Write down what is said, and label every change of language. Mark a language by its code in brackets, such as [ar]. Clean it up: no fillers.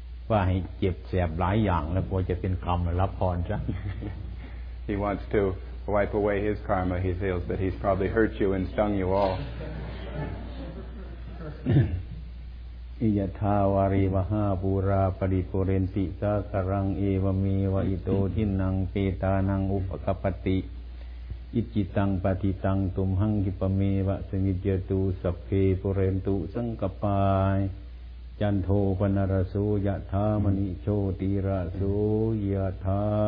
[th] ว่าให้เจ็บแสบหลายอย่างแล้วกลัวจะเป็นกรรมรับพรซะ [en] He wants to wipe away his karma he feels that he's probably hurt you and stung you all [pi] อิยทาวาริวหาปูราปริปุเรนติสักรังเอวมีวะอิโตทินังเปตานังอุปกปติอิจิตังปฏิตังตุมหังกิปเมวะสังกิจตุสัพเพปุเรนตุสังกปายจันโทปนรสุยะธามณิโชติระสุยะธา